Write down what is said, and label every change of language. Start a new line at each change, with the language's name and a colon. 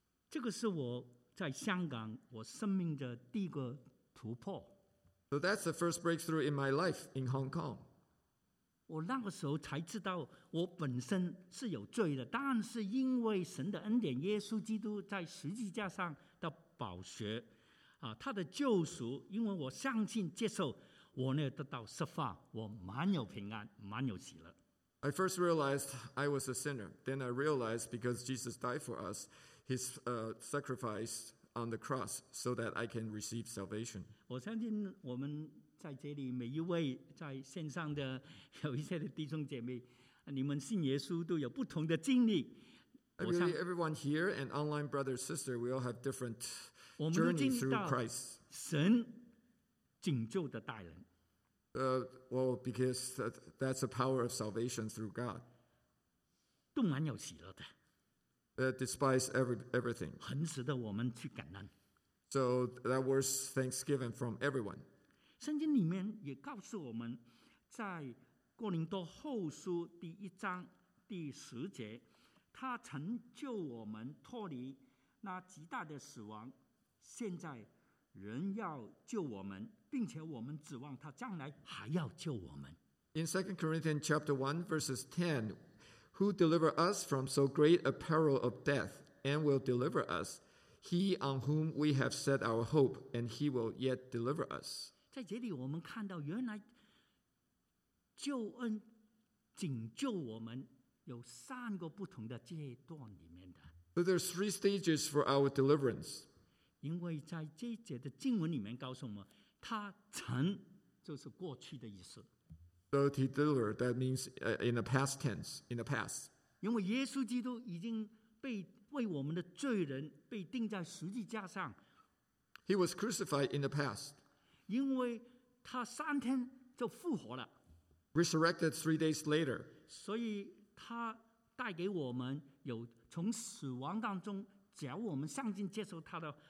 Chinese: 这个是我在香港我生命的第一个突破。
English: So that's the first breakthrough in my life in Hong Kong.
Chinese: 我那个时候才知道我本身是有罪的，但是因为神的恩典，耶稣基督在十字架上的宝血。他的救赎，因为我相信接受，我呢得到释放，我满有平安，满有喜乐。
English: I first realized I was a sinner. Then I realized because Jesus died for us, His sacrifice on the cross, so that I can receive salvation.
Chinese: 我相信我们在这里每一位在线上的有一些的弟兄姐妹，你们信耶稣都有不同的经历。
English: I believe everyone here and online brother sister, we all have different.
Chinese: 我们都经历到神拯救的大能。
English: Because that's the power of salvation through God.
Chinese: 都蛮有喜乐的。
English: Despise everything.
Chinese: 很值得我们去感恩。
English: So that was thanksgiving from everyone.
Chinese: 圣经里面也告诉我们，在哥林多后书第一章第十节，他曾救我们脱离那极大的死亡。现在人要救我们，并且我们指望他将来还要救我们。
English: In 2 Corinthians chapter 1 verses 10, who deliver us from so great a peril of death and will deliver us? He on whom we have set our hope and he will yet deliver us.
Chinese: 在这里我们看到原来救恩拯救我们有三个不同的阶段里面的。
English: So there's three stages for our deliverance.
Chinese: 因为在这一节的经文里面告诉我们，他曾就是过去的意思。
English: So he delivered, that means in the past tense, in the past.
Chinese: 因为耶稣基督已经被为我们的罪人被钉在十字架上。
English: He was crucified in the past.
Chinese: 因为他三天就复活了。
English: Resurrected three days later.
Chinese: 所以他带给我们有从死亡当中，只要我们相信接受他的。